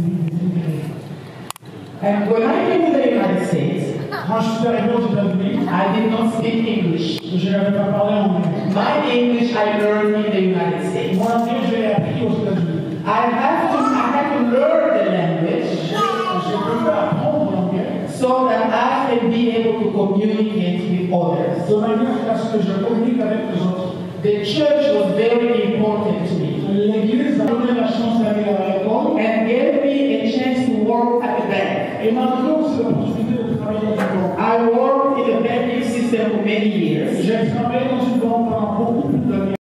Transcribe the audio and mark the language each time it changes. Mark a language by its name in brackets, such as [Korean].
[English] And when I came to the United States, I did not speak English. My English I learned in the United States. I have to learn the language. So that I can be able to communicate with others. So my dear pastor, [French] je communique avec les autres. [English] The church was very important to me. [French] L'église m'a donné la chance d'aller à l'école. [English] And gave me a chance to work at the bank. [French] Et m'a donné aussi l'opportunité de travailler à l'école. [English] I worked in the banking system for many years. [French] J'ai travaillé dans une banque pendant beaucoup plus d'années.